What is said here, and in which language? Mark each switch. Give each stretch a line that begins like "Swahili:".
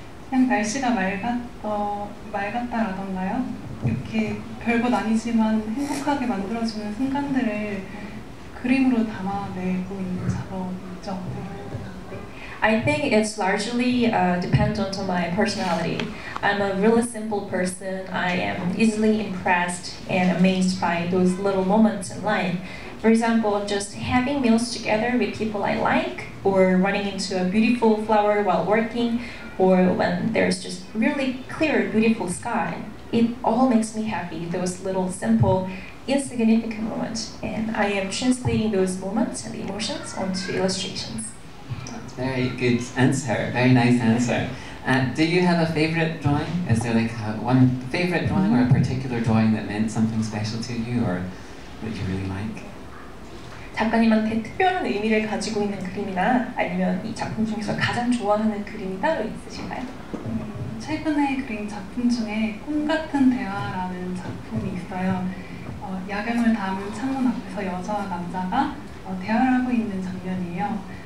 Korean: 그냥 날씨가 맑았다라던가요? 이렇게 별것 아니지만 행복하게 만들어주는 순간들을 그림으로 담아내고 있는 작업이죠.
English: I think it's largely dependent on my personality. I'm a really simple person. I am easily impressed and amazed by those little moments in life. For example, just having meals together with people I like, or running into a beautiful flower while working, or when there's just really clear, beautiful sky. It all makes me happy, those little, simple, insignificant moments. And I am translating those moments and emotions onto illustrations. Very good answer, very nice answer. Do you have a favorite drawing? Is there like one favorite drawing or a particular drawing that meant something special to you or that you really like?
Korean: 작가님한테 특별한 의미를 가지고 있는 그림이나 아니면 이 작품 중에서 가장 좋아하는 그림이 따로 있으신가요? 최근에 그린 작품 중에 꿈 같은 대화라는 작품이 있어요. 야경을 담은 창문 앞에서 여자와 남자가 대화를 하고 있는 장면이에요.